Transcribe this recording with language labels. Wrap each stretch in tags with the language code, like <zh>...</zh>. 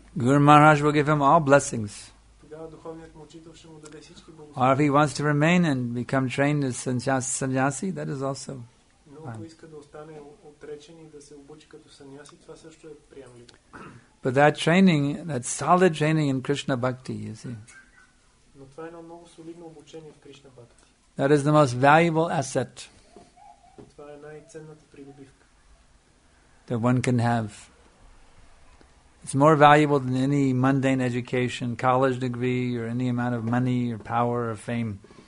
<en>Guru Maharaj will give him all blessings.</en> <bg>Тогава духовният му учител ще му даде всички благословения.</bg> <en>Or if he wants to remain and become trained as sannyasi, that is also.</en> <bg>Ако иска да остане отречен и да се обучи като саньяси, това също е приемливо.</bg> <en>But that training, that solid training in Krishna bhakti, you see.</en> <bg>Но това е едно много солидно обучение в Кришна бхакти.</bg> <en>That is the most valuable asset.</en> <bg>Това е най-ценната придобивка.</bg> <en>That one can have. It's more valuable than any mundane education, college degree, or any amount of money, or power, or fame.</en>